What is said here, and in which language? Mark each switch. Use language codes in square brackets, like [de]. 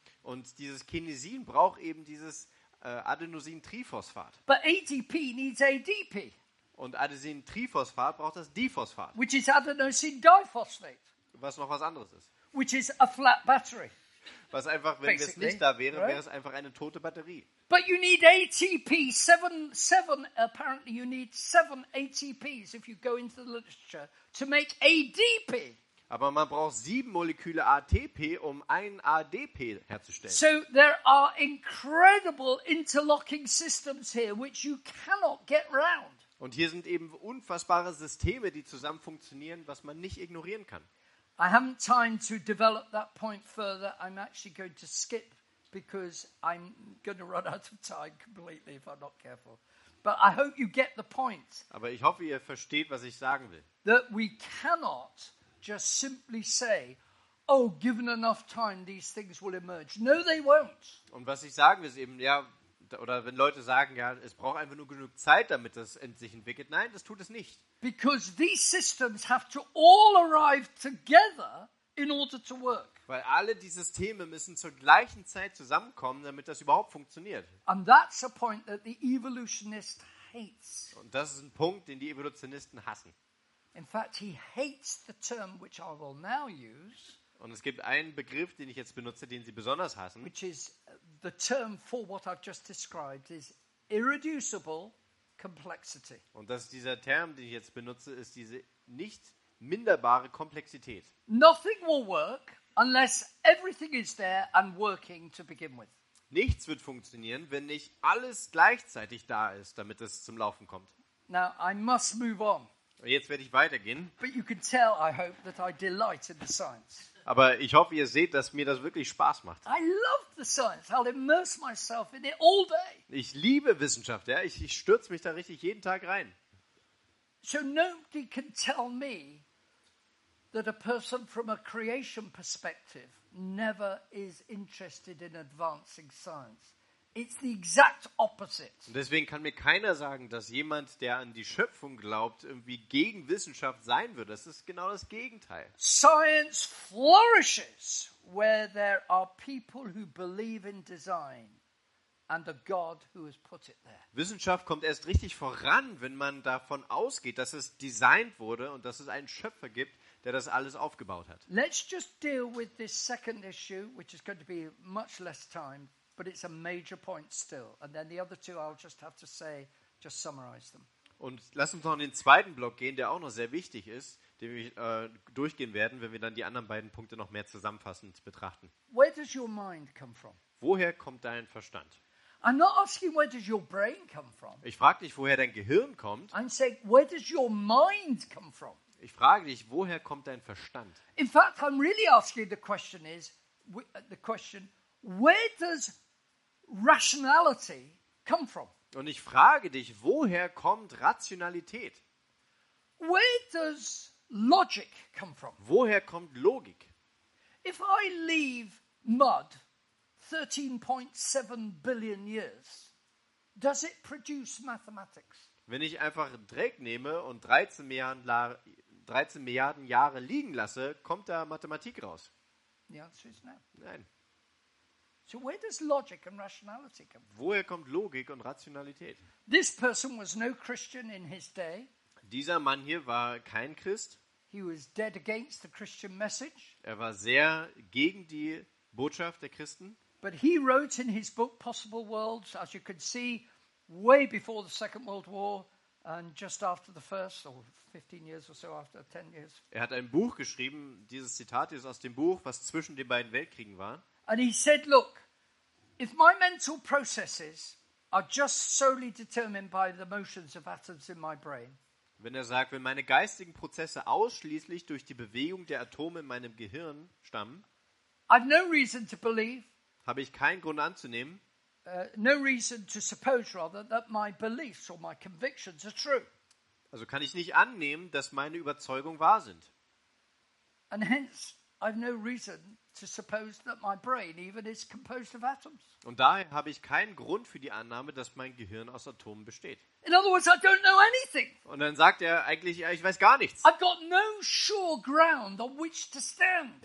[de] Und dieses Kinesin braucht eben dieses adenosin triphosphat. [en] But ATP needs ADP. [de] Und Adenosin Triphosphat braucht das Diphosphat. [en] Which is adenosine diphosphate. [de] Was noch was anderes ist. [en] Which is a flat battery. [de] Was einfach, wenn es nicht da wäre, right? Wäre es einfach eine tote Batterie. [en] But you need ATP. Seven, apparently you need seven ATPs if you go into the literature to make ADP. [de] Aber man braucht sieben Moleküle ATP, um ein ADP herzustellen. [en] So there are incredible interlocking systems here which you cannot get round. [de] Und hier sind eben unfassbare Systeme, die zusammen funktionieren, was man nicht ignorieren kann. [en] I haven't time to develop that point further. I'm actually going to skip because I'm going to run out of time completely if I'm not careful. But I hope you get the point. [de] Aber ich hoffe, ihr versteht, was ich sagen will. [en] That we cannot just simply say, oh, given enough time, these things will emerge. No, they won't. [de] Und was ich sagen will, ist eben, ja, oder wenn Leute sagen, ja, es braucht einfach nur genug Zeit, damit das sich entwickelt. Nein, das tut es nicht. [en] Because these systems have to all arrive together in order to work. [de] Weil alle die Systeme müssen zur gleichen Zeit zusammenkommen, damit das überhaupt funktioniert. [en] And that's a point that the evolutionist hates. [de] Und das ist ein Punkt, den die Evolutionisten hassen. [en] In fact, he hates the term which I will now use. [de] Und es gibt einen Begriff, den ich jetzt benutze, den sie besonders hassen. [en] Which is the term for what I've just described is irreducible complexity. [de] Und das ist dieser Term, den ich jetzt benutze, ist diese nicht minderbare Komplexität. [en] Nothing will work unless everything is there and working to begin with. [de] Nichts wird funktionieren, wenn nicht alles gleichzeitig da ist, damit es zum Laufen kommt. [en] Now I must move on. [de] Jetzt werde ich weitergehen. [en] But you can tell, I hope, that I delight in the science. [de] Aber ich hoffe, ihr seht, dass mir das wirklich Spaß macht. [en] I love the science. I'll immerse myself in it all day. [de] Ich liebe Wissenschaft, ja. Ich stürze mich da richtig jeden Tag rein. [en] So nobody can tell me that a person from a creation perspective never is interested in advancing science. It's the exact opposite. [de] Deswegen kann mir keiner sagen, dass jemand, der an die Schöpfung glaubt, irgendwie gegen Wissenschaft sein wird. Das ist genau das Gegenteil. [en] Science flourishes where there are people who believe in design and a God who has put it there. [de] Wissenschaft kommt erst richtig voran, wenn man davon ausgeht, dass es designt wurde und dass es einen Schöpfer gibt, der das alles aufgebaut hat. [en] Let's just deal with this second issue, which is going to be much less time. But it's a major point still. And then the other two, I'll just have to say, just summarize them. [de] Und lass uns noch in den zweiten Block gehen, der auch noch sehr wichtig ist, den wir durchgehen werden, wenn wir dann die anderen beiden Punkte noch mehr zusammenfassend betrachten. [en] Where does your mind come from? [de] Woher kommt dein Verstand? [en] I'm not asking where does your brain come from. [de] Ich frage nicht, woher dein Gehirn kommt. [en] I'm saying, where does your mind come from? [de] Ich frage dich, woher kommt dein Verstand? [en] In fact, I'm really asking the question. Where does rationality come from? [de] Und ich frage dich, woher kommt Rationalität? [en] Where does logic come from? [de] Woher kommt Logik? [en] If I leave mud 13.7 billion years, does it produce mathematics? [de] Wenn ich einfach Dreck nehme und 13 Milliarden Jahre liegen lasse, kommt da Mathematik raus? [en] The answer is no. [de] Nein. [en] So where does logic and rationality come from? [de] Woher kommt Logik und Rationalität? [en] This person was no Christian in his day. [de] Dieser Mann hier war kein Christ. [en] He was dead against the Christian message. [de] Er war sehr gegen die Botschaft der Christen. [en] But he wrote in his book Possible Worlds, as you can see, way before the Second World War and just after the first, or 15 years or so after 10 years. [de] Er hat ein Buch geschrieben, dieses Zitat ist aus dem Buch, was zwischen den beiden Weltkriegen war. [en] And he said, look, if my mental processes are just solely determined by the motions of atoms in my brain. [de] Wenn er sagt, wenn meine geistigen Prozesse ausschließlich durch die Bewegung der Atome in meinem Gehirn stammen, [en] I've no reason to believe, [de] habe ich keinen Grund anzunehmen, [en] no reason to suppose rather that my beliefs or my convictions are true. [de] Also kann ich nicht annehmen, dass meine Überzeugungen wahr sind. [en] And hence I've no reason to suppose that my brain even is composed of atoms. [de] Und daher habe ich keinen Grund für die Annahme, dass mein Gehirn aus Atomen besteht. [en] In other words, I don't know anything. [de] Und dann sagt er eigentlich, ja, ich weiß gar nichts. [en] I've got no sure ground on which to stand.